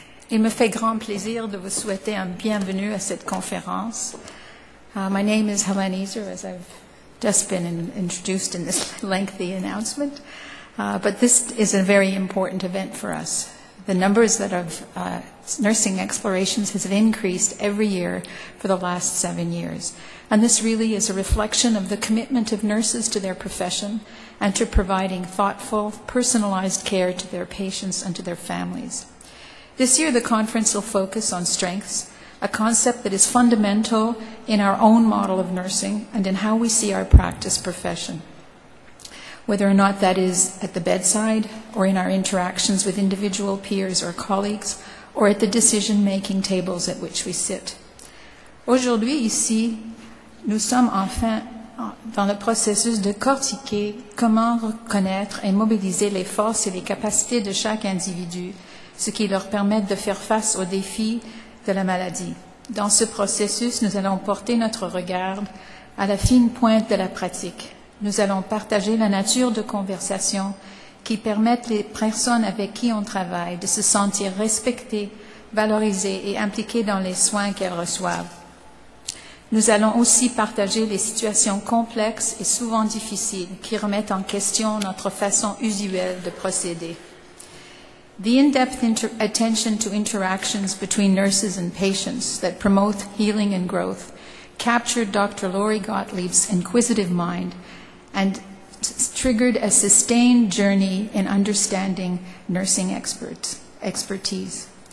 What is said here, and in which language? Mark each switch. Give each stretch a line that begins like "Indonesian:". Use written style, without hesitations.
French: Il me fait grand plaisir de vous souhaiter un bienvenue à cette conférence.
English: My name is Helene Ezer, as I've just been introduced in this lengthy announcement, but this is a very important event for us. The numbers that of nursing explorations has increased every year for the last 7 years, and this really is a reflection of the commitment of nurses to their profession and to providing thoughtful, personalized care to their patients and to their families. This year, the conference will focus on strengths, a concept that is fundamental in our own model of nursing and in how we see our practice profession, whether or not that is at the bedside or in our interactions with individual peers or colleagues or at the decision-making tables at which we sit.
French: Aujourd'hui, ici, nous sommes enfin dans le processus de cortiquer comment reconnaître et mobiliser les forces et les capacités de chaque individu, ce qui leur permet de faire face aux défis de la maladie. Dans ce processus, nous allons porter notre regard à la fine pointe de la pratique. Nous allons partager la nature de conversations qui permettent les personnes avec qui on travaille de se sentir respectées, valorisées et impliquées dans les soins qu'elles reçoivent. Nous allons aussi partager les situations complexes et souvent difficiles qui remettent en question notre façon usuelle de procéder.
English: The in-depth attention to interactions between nurses and patients that promote healing and growth captured Dr. Lori Gottlieb's inquisitive mind and triggered a sustained journey in understanding nursing expertise.